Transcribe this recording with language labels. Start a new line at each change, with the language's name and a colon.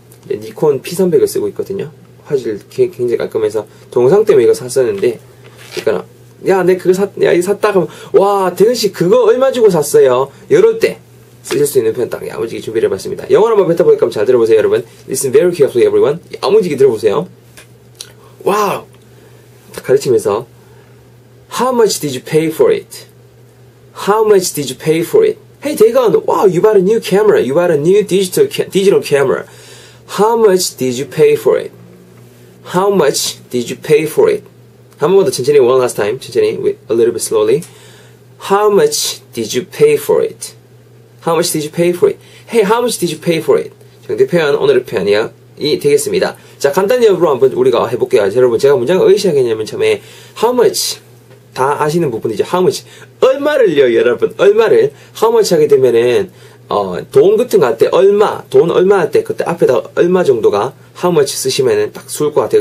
Korean: 니콘 P300을 쓰고 있거든요. 화질 굉장히 깔끔해서 동상 때문에 이거 샀었는데, 그러니까 야, 내 그거 샀다 그러면 와, 대근 씨 그거 얼마 주고 샀어요? 이럴 때 쓰실 수 있는 편 딱 야무지게 준비를 해봤습니다. 영어 한번 뱉어보니까 잘 들어보세요, 여러분.
English: Listen very carefully, everyone.
Korean: 야무지게 들어보세요.
English: 와우!
Korean: 가르치면서
English: How much did you pay for it? How much did you pay for it? Hey, 대건, wow, you bought a new camera. You bought a new digital camera. How much did you pay for it? How much did you pay for it?
Korean: 한 번 더 천천히,
English: one last time.
Korean: 천천히,
English: a little bit slowly. How much did you pay for it? How much did you pay for it? Hey, how much did you pay for it?
Korean: 정대 표현, 오늘의 표현이야. 이 되겠습니다. 자, 간단히 여러분 한번 우리가 해볼게요. 자, 여러분, 제가 문장을 어디서 하냐면 처음에
English: how much
Korean: 다 아시는 부분이죠.
English: how much
Korean: 얼마를요, 여러분. 얼마를 how much 하게 되면은 돈 같은 거 할 때 얼마, 돈 얼마 할 때 그때 앞에다 얼마 정도가 how much 쓰시면은 딱 좋을 것 같아요.